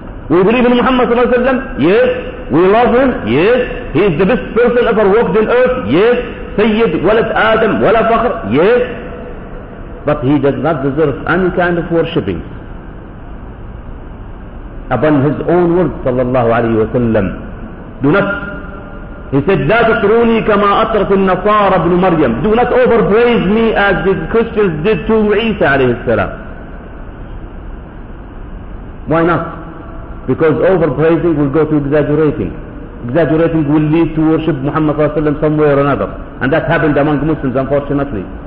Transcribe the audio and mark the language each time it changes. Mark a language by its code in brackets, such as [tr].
[en] We believe in Muhammad sallallahu alaihi wasallam. Yes, we love him. Yes, he is the best person ever walked on earth. Yes, Sayyid Walad Adam Walad Fakhr. Yes, but he does not deserve any kind of worshipping. Upon his own words, sallallahu alaihi wasallam, do not. [ar] He said, لا تطروني كما أطرت النصارى ابن مريم. [en] Do not overpraise me as the Christians did to Isa [ar] عليه السلام. [en] Why not? Because overpraising will go to exaggerating. Exaggerating will lead to worship Muhammad [ar] صلى الله عليه وسلم [en] somewhere or another. And that happened among Muslims, unfortunately.